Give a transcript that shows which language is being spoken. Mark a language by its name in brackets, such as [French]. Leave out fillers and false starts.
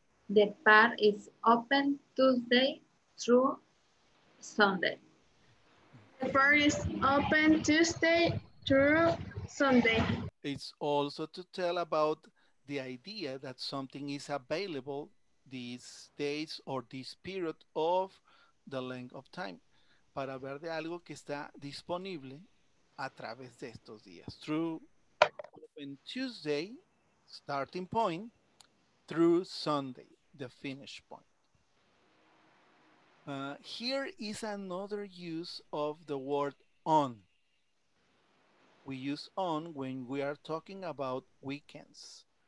[English] The park is open Tuesday through Sunday. The park is open Tuesday through Sunday. It's also to tell about the idea that something is available these days or this period of the length of time. [Spanish] Para ver de algo que está disponible a través de estos días. [English] Through open Tuesday, starting point, through Sunday, the finish point. Here is another use of the word on. We use on when we are talking about weekends.